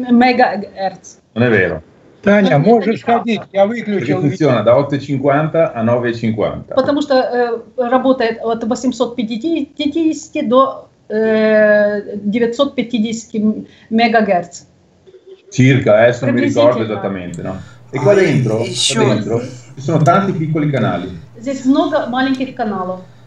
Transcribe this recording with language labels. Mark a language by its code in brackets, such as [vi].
[ru] Мегагерц. [it] Non è vero. [ru] Таня, можешь сходить, я выключил. [it] Perché funziona da 850 a 950. [ru] Потому что работает от 850 до 950 мегагерц. [it] Circa, adesso non mi ricordo esattamente, no? E qua dentro, qua dentro ci sono tanti piccoli canali. [ru] Здесь много маленьких каналов.